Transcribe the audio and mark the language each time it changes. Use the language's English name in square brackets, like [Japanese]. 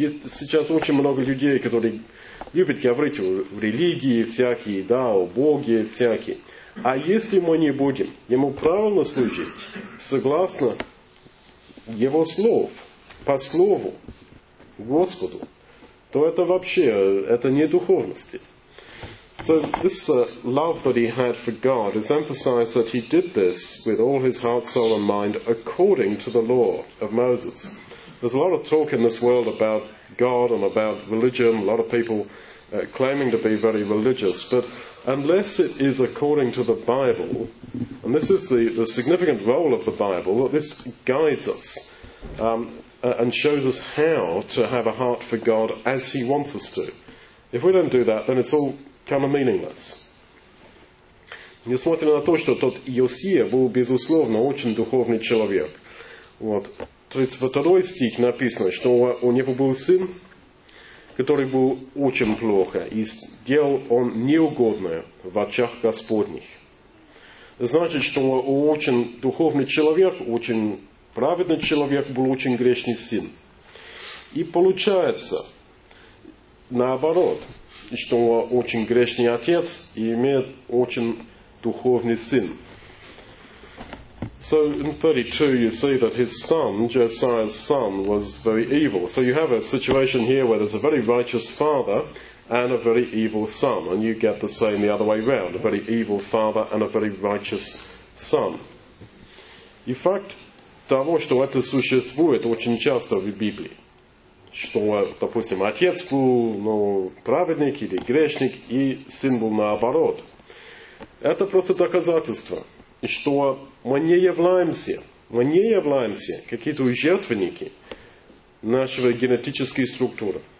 [Russian] Есть сейчас очень много людей, которые любят говорить о религии всякие, да, о Боге всякие. А если мы не будем ему правильно служить, согласно его слов, по слову Господу, то это вообще, это не духовности. [English] So this love that he had for God is emphasized that he did this with all his heart, soul and mind according to the law of Moses. There's a lot of talk in this world about God and about religion, a lot of people claiming to be very religious, but unless it is according to the Bible, and this is the significant role of the Bible, that this guides us and shows us how to have a heart for God as he wants us to. If we don't do that, then it's all kind of meaningless. [Russian] Несмотря на то, что тот Иосия был, безусловно, очень духовный человек. Вот. 32 стих написано, что у него был сын, который был очень плохо, и сделал он неугодное в очах Господних. Значит, что очень духовный человек, очень праведный человек, был очень грешный сын. И получается наоборот, что очень грешный отец имеет очень духовный сын. [English] So in 32 you see that his son, Josiah's son, was very evil. So you have a situation here where there's a very righteous father and a very evil son. And you get the same the other way around, a very evil father and a very righteous son. [Russian] И факт того, что это существует очень часто в Библии. Что, допустим, отец был праведник или грешник, и сын был наоборот. Это просто доказательство, что мы не являемся какие-то жертвенники нашего генетической структуры.